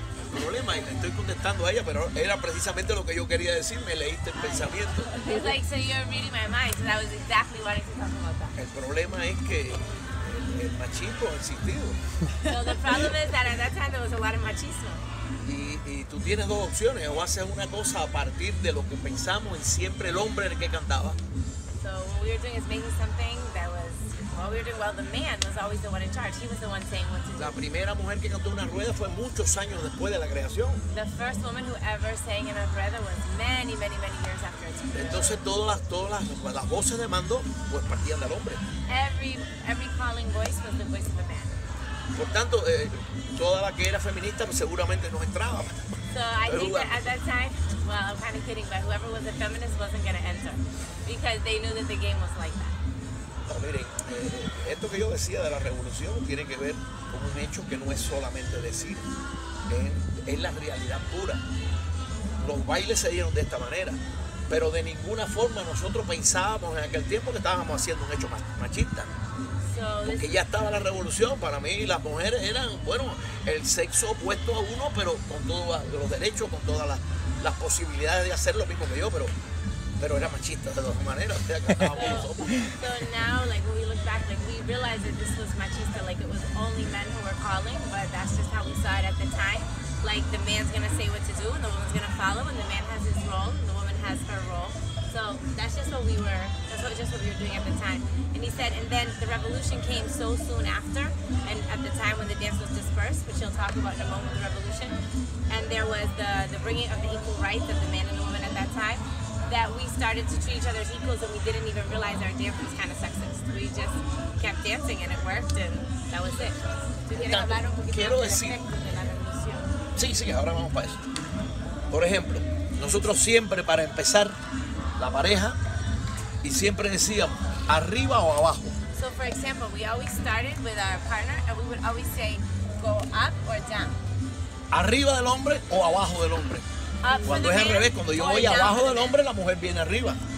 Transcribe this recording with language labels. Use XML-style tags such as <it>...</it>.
<es>Problema, y le estoy contestando a ella, pero era precisamente lo que yo quería decir, me leíste el pensamiento.</es> <en>It's like, so you're reading my mind, so that was exactly what I was talking about that.</en> <es>El problema es que el machismo ha existido.</es> <en>So the problem is that at that time there was a lot of machismo.</en> <es>Y tú tienes dos opciones, o haces una cosa a partir de lo que pensamos en siempre el hombre en el que cantaba.</es> <en>So we were doing is making something that was, while we were doing well, the man was always the one in charge. He was the one saying what to do.</en> <es>La primera mujer que cantó una rueda fue muchos años después de la creación.</es> <en>The first woman who ever sang in a rueda was many, many, many years after it's created.</en> <es>Entonces todas las voces de mando pues partían del hombre.</es> <en>Every calling voice was the voice of a man.</en> <es>Por tanto, toda la que era feminista pues seguramente no entraba.</es> <en>So I think that at that time, well, I'm kind of kidding, but whoever was a feminist wasn't going to enter because they knew that the game was like that.</en> <es>Miren, esto que yo decía de la revolución tiene que ver con un hecho que no es solamente decir, es la realidad pura. Los bailes se dieron de esta manera, pero de ninguna forma nosotros pensábamos en aquel tiempo que estábamos haciendo un hecho machista. Porque ya estaba la revolución, para mí las mujeres eran, bueno, el sexo opuesto a uno, pero con todos los derechos, con todas las posibilidades de hacer lo mismo que yo, pero era machista de dos maneras.</es> <en>So now, like, when we look back, like, we realize that this was machista, like, it was only men who were calling, but that's just how we saw it at the time. Like, the man's gonna say what to do, and the woman's gonna follow, and the man has his role, and the woman has her role. So that's just what we were, doing at the time. And he said, and then the revolution came so soon after, and at the time when the dance was dispersed, which he'll talk about in a moment, the revolution, and there was the bringing of the equal rights of the man and the woman at that time, that we started to treat each other as equals and we didn't even realize our dance was kind of sexist. We just kept dancing and it worked and that was it.</en> <es>Quiero decir, sí, ahora vamos para eso. Por ejemplo, nosotros siempre para empezar la pareja y siempre decíamos arriba o abajo.</es> <en>So for example, we always started with our partner and we would always say go up or down.</en> <es>Arriba del hombre o abajo del hombre. Cuando es</es> <en>man,</en> <es>al revés, cuando yo voy abajo del hombre, la mujer viene arriba.</es>